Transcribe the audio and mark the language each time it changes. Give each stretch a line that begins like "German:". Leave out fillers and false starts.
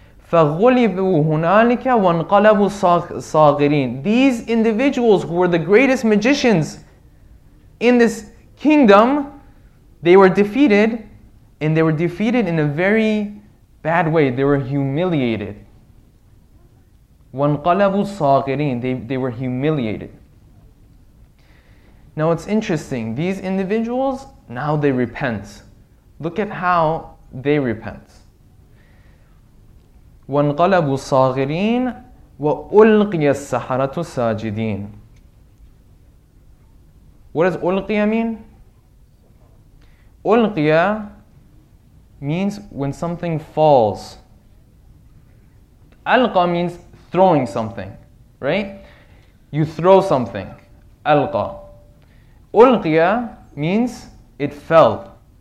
Arabic: فَغُلِبُوا هُنَالِكَ وَانْقَلَبُوا صَاغِرِينَ
English: These individuals who were the greatest magicians in this kingdom, they were defeated, and they were defeated in a very bad way. They were humiliated.
Arabic: وَانْقَلَبُوا صَاغِرِينَ
English: They were humiliated. Now it's interesting, these individuals, now they repent. Look at how they repent.
Arabic: وَانْقَلَبُوا صَاغِرِينَ وَأُلْقِيَ السَّحَرَةُ سَاجِدِينَ
English: What does
Arabic: أُلْقِيَ mean?
English: أُلْقِيَ means when something falls. أَلْقَى means throwing something, right? You throw something, أَلْقَى. Ulqiya means it fell.